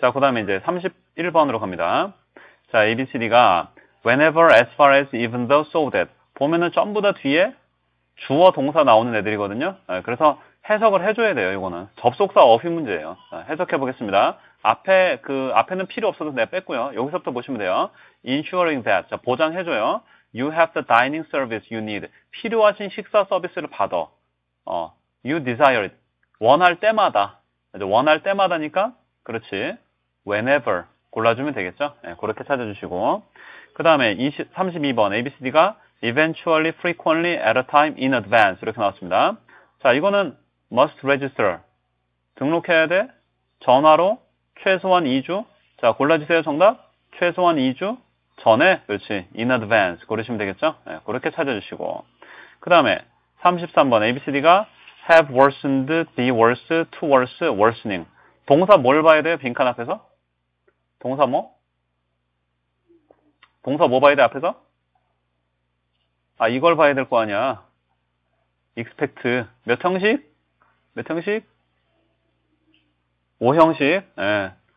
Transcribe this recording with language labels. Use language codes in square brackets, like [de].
[ko] 자, 그 다음에 이제 31번으로 갑니다. 자, ABCD가 whenever, as far as, even though, so that 보면은 전부 다 뒤에 주어 동사 나오는 애들이거든요. 네, 그래서 해석을 해줘야 돼요. 이거는 접속사 어휘 문제예요. 자, 해석해 보겠습니다. 앞에는 필요 없어서 내가 뺐고요. 여기서부터 보시면 돼요. [en] Ensuring that. [ko] 자, 보장해줘요. [en] You have the dining service you need. [ko] 필요하신 식사 서비스를 받아. [en] You desire it. [ko] 원할 때마다. 원할 때마다니까? 그렇지. Whenever. 골라주면 되겠죠? 네, 그렇게 찾아주시고. 그 다음에 32번. ABCD가 eventually, frequently, at a time, in advance. 이렇게 나왔습니다. 자, 이거는 [en] must register. [ko] 등록해야 돼? 전화로? 최소한 2주? 자, 골라주세요, 정답. 최소한 2주? 전에? 그렇지. In advance. 고르시면 되겠죠? 네, 그렇게 찾아주시고. 그 다음에, 33번. ABCD가 have worsened, be worse, to worse, worsening. 동사 뭘 봐야 돼요, 빈칸 앞에서? 동사 뭐? 동사 뭐 봐야 돼, 앞에서? 아, 이걸 봐야 될거 아니야. 익스펙트 몇 형식? 몇 형식? 5형식. 예.